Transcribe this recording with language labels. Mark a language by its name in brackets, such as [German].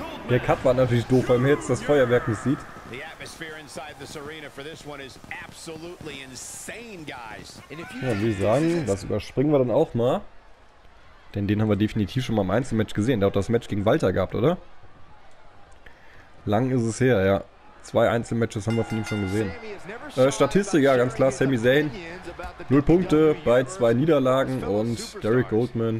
[German] Der Cut war natürlich doof, weil man jetzt das Feuerwerk nicht sieht. [English] The atmosphere inside this arena for this one is absolutely insane, guys. [German] Ja, wie sagen, das überspringen wir dann auch mal. Denn den haben wir definitiv schon mal im Einzelmatch gesehen. Der hat das Match gegen Walter gehabt, oder? Lang ist es her, ja. Zwei Einzelmatches haben wir von ihm schon gesehen. Statistik, ja, ganz klar, Sami Zayn. 0 Punkte bei 2 Niederlagen und Derek Goldman.